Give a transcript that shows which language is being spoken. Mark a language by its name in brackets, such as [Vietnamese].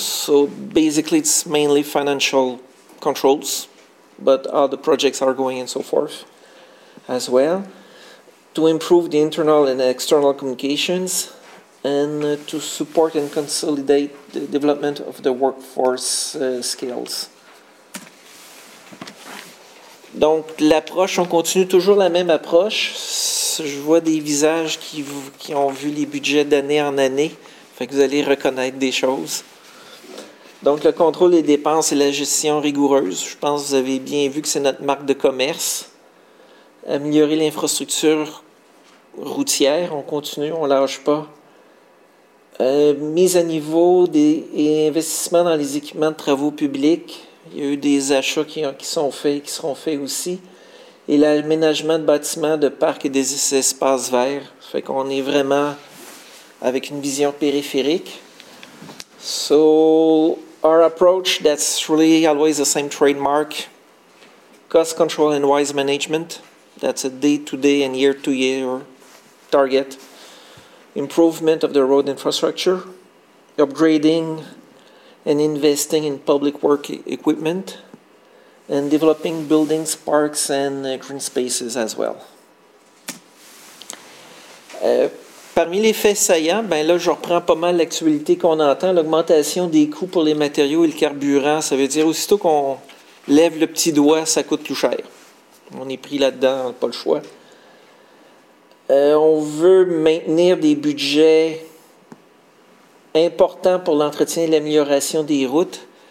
[English] So basically, it's mainly financial controls, but other projects are going and so forth as well. To improve the internal and external communications, and to support and consolidate the development of the workforce skills. [French] Donc, l'approche, on continue toujours la même approche. Je vois des visages qui ont vu les budgets d'année en année. Fait que vous allez reconnaître des choses. Donc, le contrôle des dépenses et la gestion rigoureuse. Je pense que vous avez bien vu que c'est notre marque de commerce. Améliorer l'infrastructure routière. On continue, on ne lâche pas. Mise à niveau et investissement dans les équipements de travaux publics. Il y a eu des achats qui sont faits et qui seront faits aussi. Et l'aménagement de bâtiments, de parcs et des espaces verts. Ça fait qu'on est vraiment avec une vision périphérique. [English] So, our approach, that's really always the same trademark. Cost control and wise management. That's a day-to-day and year-to-year target. Improvement of the road infrastructure. Upgrading and investing in public work equipment, and developing buildings, parks, and green spaces as well. [French] Parmi les faits saillants, ben là, je reprends pas mal l'actualité qu'on entend, l'augmentation des coûts pour les matériaux et le carburant. Ça veut dire aussitôt qu'on lève le petit doigt, ça coûte plus cher. On est pris là-dedans, pas le choix. On veut maintenir des budgets important pour l'entretien et l'amélioration des routes.